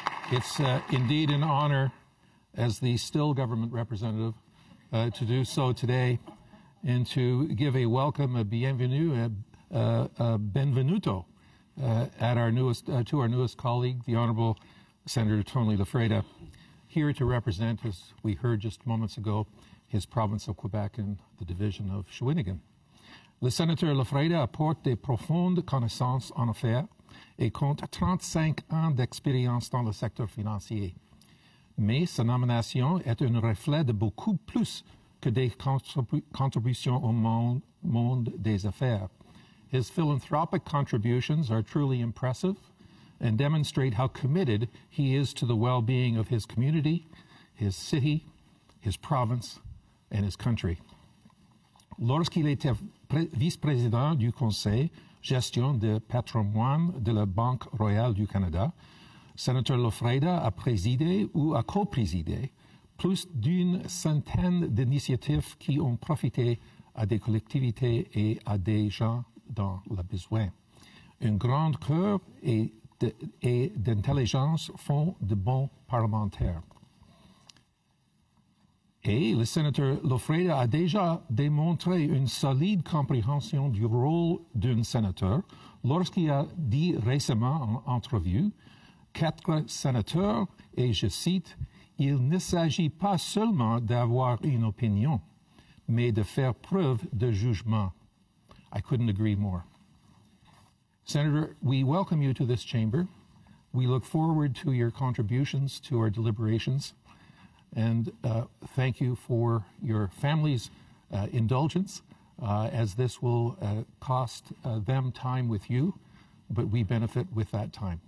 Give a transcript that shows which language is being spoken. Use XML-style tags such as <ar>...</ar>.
<en>It's indeed an honor as the still government representative to do so today and to give a welcome, a benvenuto to our newest colleague, the Honorable Senator Tony Loffreda, here to represent, as we heard just moments ago, his province of Quebec and the division of Shawinigan.</en> <fr>Le Senator Loffreda apporte de profondes connaissances en affaires et compte 35 ans d'expérience dans le secteur financier. Mais sa nomination est un reflet de beaucoup plus que des contributions au monde des affaires.</fr> <en>His philanthropic contributions are truly impressive and demonstrate how committed he is to the well-being of his community, his city, his province, and his country.</en> <fr>Lorsqu'il était vice-président du Conseil Gestion de Patrimoine de la Banque Royale du Canada, Senator Loffreda a présidé ou a co-présidé plus d'une centaine d'initiatives qui ont profité à des collectivités et à des gens dans le besoin. Un grand cœur et d'intelligence font de bons parlementaires. Et le sénateur Loffreda a déjà démontré une solide compréhension du rôle d'un sénateur lorsqu'il a dit récemment en entrevue, quatre sénateurs, et je cite, « Il ne s'agit pas seulement d'avoir une opinion, mais de faire preuve de jugement. »</fr> <en>I couldn't agree more. Senator, we welcome you to this chamber. We look forward to your contributions to our deliberations. And thank you for your family's indulgence, as this will cost them time with you, but we benefit with that time.</en>